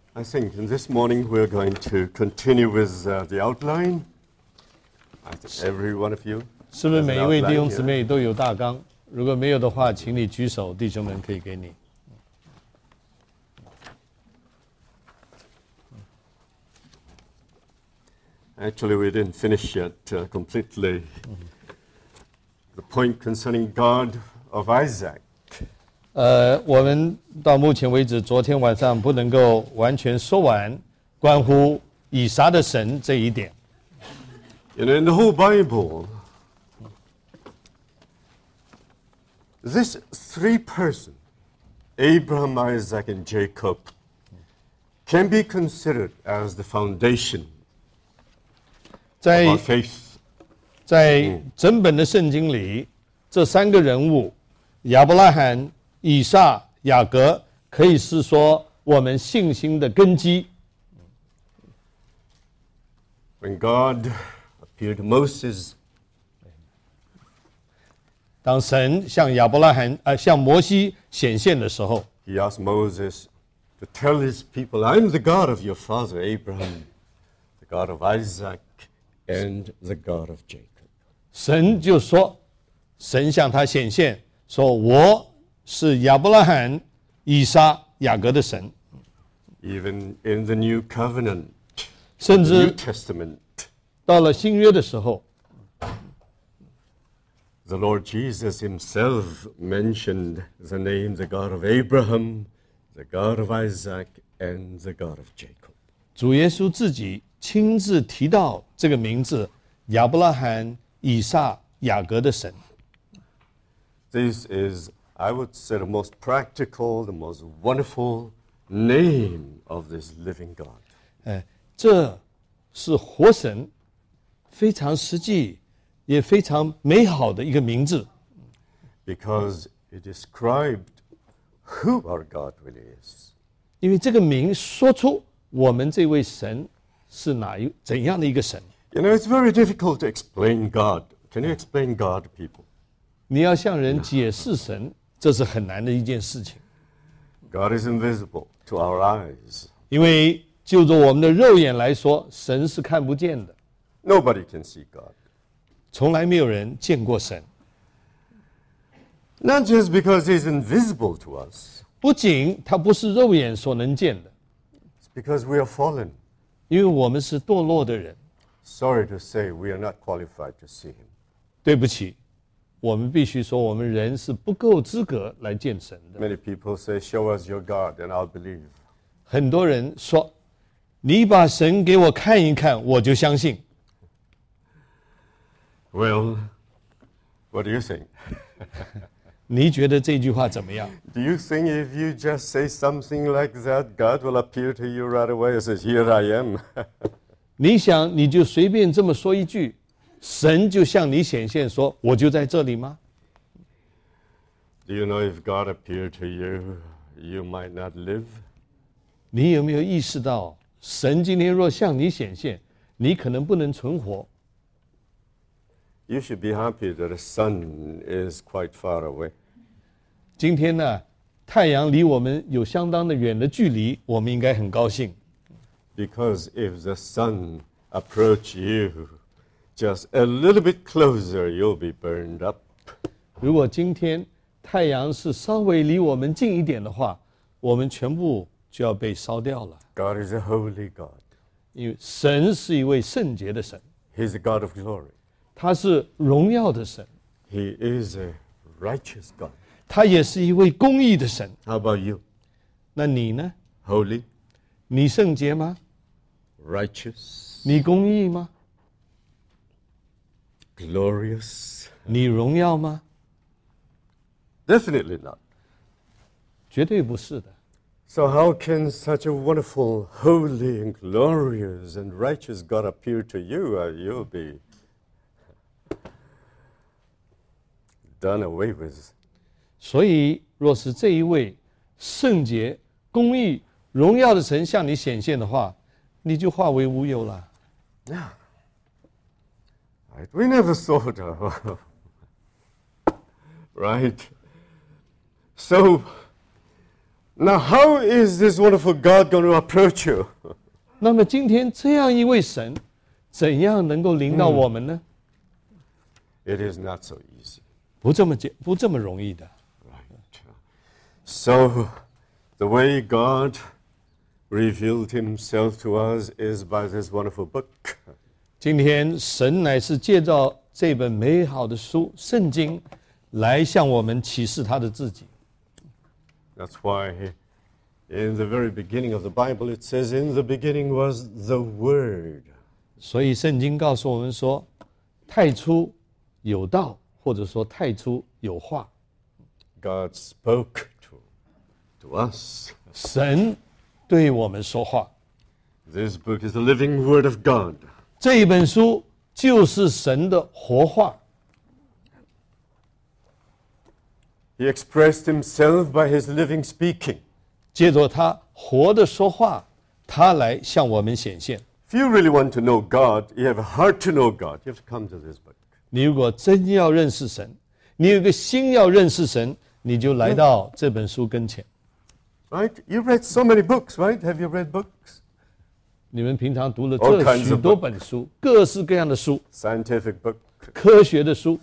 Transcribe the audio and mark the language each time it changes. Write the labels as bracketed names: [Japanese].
[English] I think in this morning we're going to continue with the outline. I think every one of you. [Chinese] 是不是每一位弟兄姊妹都有大纲？如果没有的话，请你举手，弟兄们可以给你。 [English] Actually, we didn't finish yet completely. The point concerning God of Isaac. [Chinese] 我们到目前为止昨天晚上不能够完全说完关乎以撒的神这一点。 [English] And in the whole Bible, this three person, Abraham, Isaac, and Jacob, can be considered as the foundation of our faith. [Chinese] 在整本的圣经里，这三个人物，亚伯拉罕以撒、雅各可以是说我们信心的根基。 [English] When God appeared to Moses, [Chinese] 当神向亚伯拉罕、向摩西显现的时候 [English] ，He asked Moses to tell his people, "I'm the God of your father Abraham, the God of Isaac, and the God of Jacob." [Chinese] 神就说，神向他显现说，我。是亚伯拉罕、以撒、雅各的神。 [English] Even in the New Covenant, [Chinese] 甚至 [English] New Testament, [Chinese] 到了新约的时候 [English] ，The Lord Jesus Himself mentioned the name, the God of Abraham, the God of Isaac, and the God of Jacob. [Chinese] 主耶稣自己亲自提到这个名字，亚伯拉罕、以撒、雅各的神。 [English] This is I would say the most practical, the most wonderful name of this living God. [Chinese] 这是活神，非常实际，也非常美好的一个名字。 [English] Because it described who our God really is. [Chinese] 因为这个名说出我们这位神是哪一怎样的一个神。 [English] You know, it's very difficult to explain God. Can you explain God, people? [Chinese] 你要向人解释神。这是很难的一件事情。 [English] God is invisible to our eyes. [Chinese] 因为就着我们的肉眼来说，神是看不见的。 [English] Nobody can see God. [Chinese] 从来没有人见过神。 [English] Not just because he's invisible to us. [Chinese] 不仅他不是肉眼所能见的。 [English] It's because we are fallen. [Chinese] 因为我们是堕落的人。 [English] Sorry to say, we are not qualified to see him. [Chinese] 对不起。我们必须说，我们人是不够资格来见神的。 [English] Many people say, "Show us your God, and I'll believe." [Chinese] 很多人说，你把神给我看一看，我就相信。 [English] Well, what do you think? [Chinese] 你觉得这句话怎么样 [English] ？Do you think if you just say something like that, God will appear to you right away and say, "Here I am"? [Chinese] 你想，你就随便这么说一句。神就向你显现说我就在这里吗 [English] Do you know if God appeared to you, you might not live? [Chinese] 你有没有意识到神今天若向你显现你可能不能存活 [English] You should be happy that the sun is quite far away. [Chinese] 今天呢太阳离我们有相当的远的距离我们应该很高兴 [English] Because if the sun approach you,Just a little bit closer, you'll be burned up. [Chinese] 如果今天太阳是稍微离我们近一点的话，我们全部就要被烧掉了。 [English] God is a holy God. [Chinese] 因为神是一位圣洁的神。 [English] He's a God of glory. [Chinese] 他是荣耀的神。 [English] He is a righteous God. [Chinese] 他也是一位公义的神。 [English] How about you? [Chinese] 那你呢 [English] ？Holy. [Chinese] 你圣洁吗 [English] ？Righteous. [Chinese] 你公义吗？ [English] Glorious. [Chinese] 你荣耀吗 [English] ？Definitely not. [Chinese] 绝对不是的。 [English] So how can such a wonderful, holy, and glorious, and righteous God appear to you, and you'll be done away with? [Chinese] 所以，若是这一位圣洁、公义、荣耀的神向你显现的话，你就化为乌有了。 [English] Yeah. Right. We never thought of, right? So, Now, how is this wonderful God going to approach you? [Chinese] 那么今天这样一位神，怎样能够临到我们呢？ [English] It is not so easy. [Chinese] 不这么简，不这么容易的。 [English] Right. So, the way God revealed Himself to us is by this wonderful book. [Chinese] 今天神乃是借着这本美好的书《圣经》，来向我们启示他的自己。 [English] That's why in the very beginning of the Bible, it says, in the beginning was the Word. [Chinese] 所以圣经告诉我们说，太初有道，或者说太初有话。 [English] God spoke to us. [Chinese] 神对我们说话。 [English] This book is the living Word of God. [Chinese] 这一本书就是神的活话。 [English] He expressed himself by his living speaking. [Chinese] 借着他活的说话，他来向我们显现。 [English] If you really want to know God, you have a heart to know God, you have to come to this book. [Chinese] 你如果真要认识神，你有个心要认识神，你就来到这本书跟前。 [English] Right? You read so many books, right? Have you read books? [Chinese] 你们平常读了这许多本书，各式各样的书。 [English] Scientific book. [Chinese] 科学的书